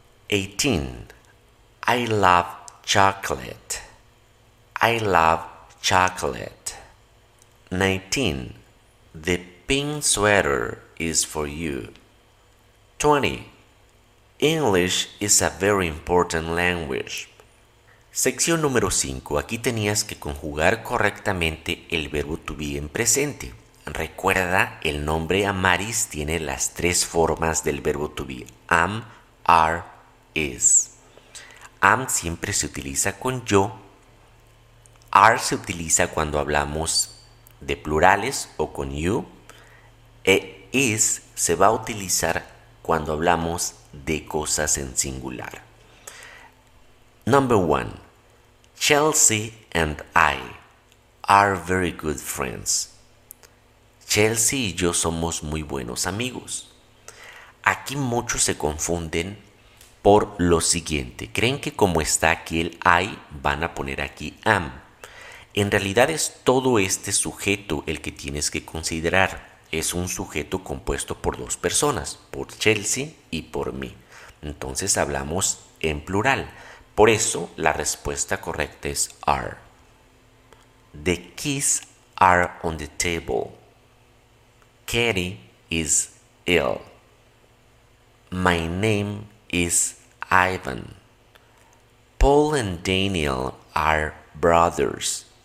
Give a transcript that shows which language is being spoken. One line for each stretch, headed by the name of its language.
English: 18. I love chocolate. I love chocolate. 19. The pink sweater is for you. 20. English is a very important language.
Spanish: Sección número 5. Aquí tenías que conjugar correctamente el verbo to be en presente. Recuerda, el nombre Amaris tiene las tres formas del verbo to be. Am, are, is. Am siempre se utiliza con yo. Are se utiliza cuando hablamos de plurales o con you. E is se va a utilizar cuando hablamos de cosas en singular.
English: Number one. Chelsea and I are very good friends.
Spanish: Chelsea y yo somos muy buenos amigos. Aquí muchos se confunden por lo siguiente. Creen que como está aquí el I, van a poner aquí am. En realidad es todo este sujeto el que tienes que considerar. Es un sujeto compuesto por dos personas, por Chelsea y por mí. Entonces hablamos en plural. Por eso la respuesta correcta es are.
English: The keys are on the table. Kerry is ill. My name is Ivan. Paul and Daniel are brothers.